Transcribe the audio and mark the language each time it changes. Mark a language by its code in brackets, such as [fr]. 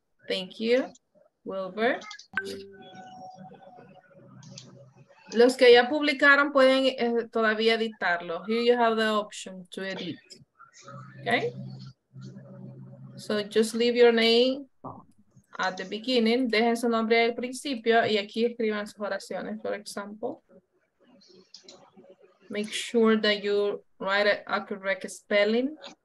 [en] Thank you, Wilbur. [es] Los que ya publicaron pueden todavía editarlo. [en] Here you have the option to edit, okay? So just leave your name at the beginning. [es] Dejen su nombre al principio y aquí escriban sus oraciones, [en] for example. Make sure that you write a correct spelling.